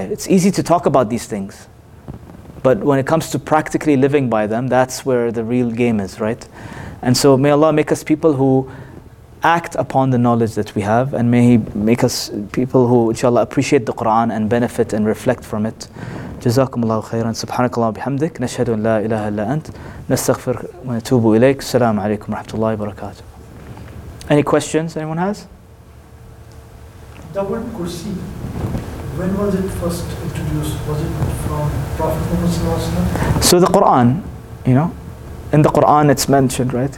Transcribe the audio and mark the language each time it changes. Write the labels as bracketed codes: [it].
[en] It's easy to talk about these things, but when it comes to practically living by them, that's where the real game is, right? And so may Allah make us people who act upon the knowledge that we have, and may He make us people who, inshallah, appreciate the Quran and benefit and reflect from it. [ar] جزاكم الله خيرا سبحانك اللهم وبحمدك نشهد أن لا إله إلا أنت نستغفر ونتوب إليك السلام عليكم ورحمة الله وبركاته. [en] Any questions anyone has? The word kursi, when was it first introduced? Was it from Prophet Muhammad sallallahu alaihi wasallam? So the Quran, you know, in the Quran it's mentioned, right?